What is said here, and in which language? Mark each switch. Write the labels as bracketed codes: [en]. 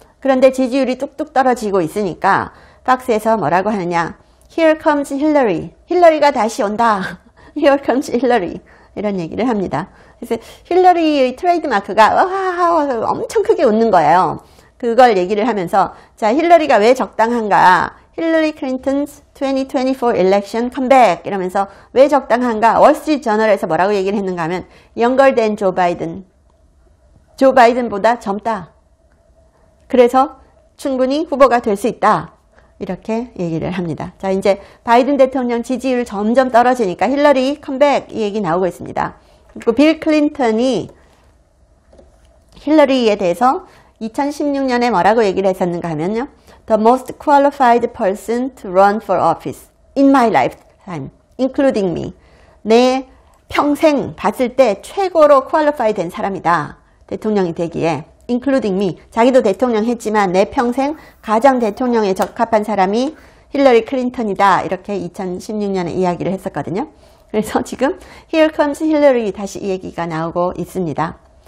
[ko] 그런데 지지율이 뚝뚝 떨어지고 있으니까 박스에서 뭐라고 하느냐. [en] Here comes Hillary. [ko] 힐러리가 다시 온다. [en] Here comes Hillary. [ko] 이런 얘기를 합니다. 그래서 힐러리의 트레이드마크가 엄청 크게 웃는 거예요. 그걸 얘기를 하면서 자 힐러리가 왜 적당한가. [en] Hillary Clinton's 2024 election comeback. [ko] 이러면서 왜 적당한가. 월스트리트 저널에서 뭐라고 얘기를 했는가 하면 [en] younger than Joe Biden. [ko] 조 바이든보다 젊다. 그래서 충분히 후보가 될 수 있다. 이렇게 얘기를 합니다. 자, 이제 바이든 대통령 지지율 점점 떨어지니까 힐러리 컴백 이 얘기 나오고 있습니다. 그리고 빌 클린턴이 힐러리에 대해서 2016년에 뭐라고 얘기를 했었는가 하면요. [en] The most qualified person to run for office in my lifetime, including me. [ko] 내 평생 봤을 때 최고로 qualified 된 사람이다. 대통령이 되기에. [en] including me. [ko] 자기도 대통령 했지만 내 평생 가장 대통령에 적합한 사람이 힐러리 클린턴이다. 이렇게 2016년에 이야기를 했었거든요. 그래서 지금 [en] Here comes Hillary [ko] 다시 이 얘기가 나오고 있습니다.